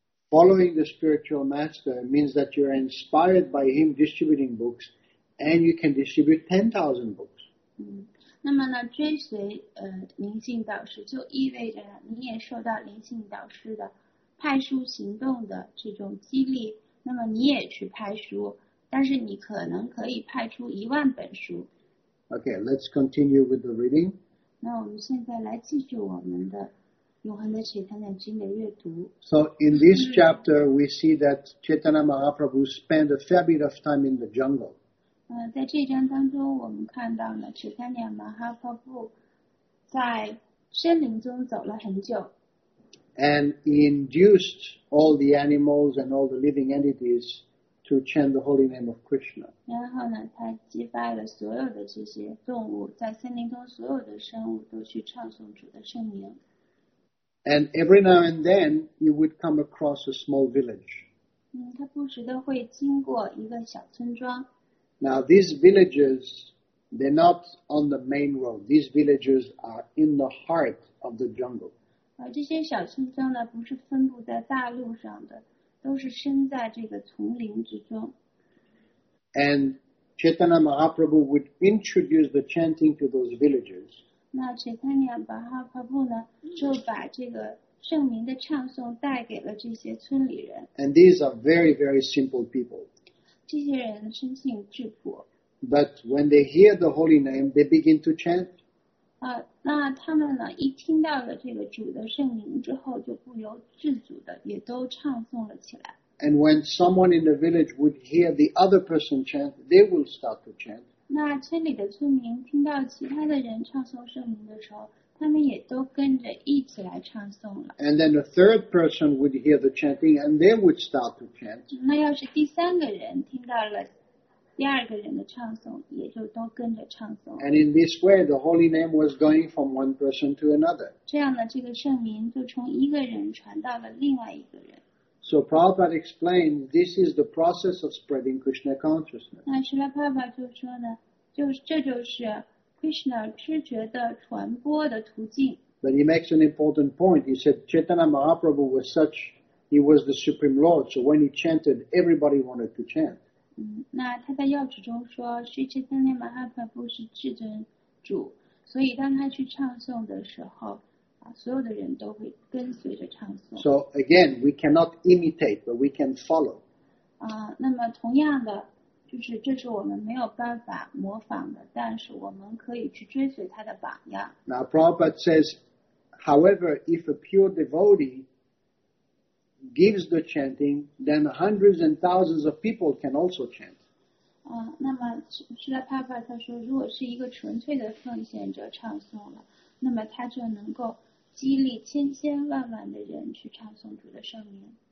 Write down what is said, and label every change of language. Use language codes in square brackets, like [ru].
[en] following the spiritual master means that you're inspired by him distributing books and you can distribute 10,000 books. [zh] 那么呢，追随灵性导师就意味着你也受到灵性导师的派书行动的这种激励，那么你也去派书，但是你可能可以派出一万本书。 [en] Okay, let's continue with the reading. [zh] 那我们现在来继续我们的永恒的 Chaitanya 经的阅读。 [en] So in this chapter, we see that Chaitanya Mahaprabhu spent a fair bit of time in the jungle. [zh] 在这章当中，我们看到了 Chaitanya Mahaprabhu 在森林中走了很久。 [en] And he induced all the animals and all the living entities to chant the holy name of Krishna. [zh] 然后呢，他激发了所有的这些动物，在森林中所有的生物都去唱诵主的圣名。 [en] And every now and then, you would come across a small village. [zh] 他不时地会经过一个小村庄。 [en] Now these villages, they're not on the main road. These villages are in the heart of the jungle. [zh] 这些小村庄呢，不是分布在大陆上的，都是身在这个丛林之中。 [en] And Chaitanya Mahaprabhu would introduce the chanting to those villages. [zh] 那 Chaitanya Mahaprabhu 呢，就把这个圣名的唱诵带给了这些村里人。 [en] And these are very, very simple people. [zh] 这些人生性质朴。 [en] But when they hear the holy name, they begin to chant. [zh] 那他们呢一听到了这个主的圣名之后就不由自主的也都唱诵了起来。 [en] And when someone in the village would hear the other person chant, they will start to chant. [zh] 那村里的村民听到其他的人唱诵圣名的时候他们也都跟着一起来唱诵了。 [en] And then a third person would hear the chanting and they would start to chant. [zh] 那要是第三个人听到了第二个人的唱诵也就都跟着唱诵。 [en] And in this way, the holy name was going from one person to another. [zh] 这样呢，这个圣名就从一个人传到了另外一个人。 [en] So Prabhupada explained, this is the process of spreading Krishna consciousness. [zh] 那Srila Prabhupada就说呢，这就是 Krishna 知觉的传播的途径。 [en] But he makes an important point. He said, Chaitanya Mahaprabhu was such, he was the Supreme Lord. So when he chanted, everybody wanted to chant. [zh] 那他在要旨中说，是这三年马哈帕布是至尊主，所以当他去唱诵的时候，所有的人都会跟随着唱诵。 [en] So again, we cannot imitate, but we can follow. [zh] 那么同样的，就是这是我们没有办法模仿的，但是我们可以去追随他的榜样。 [en] Now Prabhupada says, however, if a pure devotee gives the chanting, then hundreds and thousands of people can also chant. [zh] 那么Srila Prabhupada他说，如果是一个纯粹的奉献者唱诵了，那么他就能够激励千千万万的人去唱诵主的圣名。